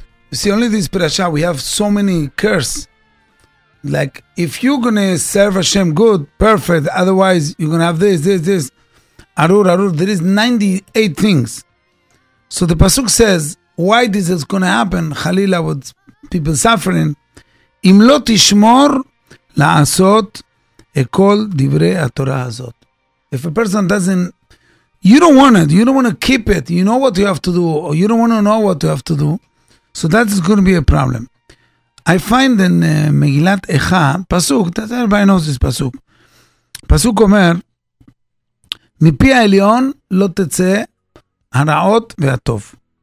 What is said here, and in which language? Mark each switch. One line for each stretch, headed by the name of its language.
English: You see, only this parasha we have so many curse. Like if you're gonna serve Hashem good, perfect. Otherwise, you're gonna have this. Arur. There is 98 things. So the pasuk says, why this is gonna happen? Chalila, with people suffering.
Hebrew: אם לא תשמור לעשות את כל דברי התורה הזאת.
English: If a person doesn't, you don't want it, you don't want to keep it, you know what you have to do, or you don't want to know what you have to do, so that is going to be a problem. I find in
Hebrew: מגילת איכה, פסוק,
English: that everybody knows this
Hebrew: פסוק, פסוק אומר, מפי העליון לא תצא הרעות והטוב.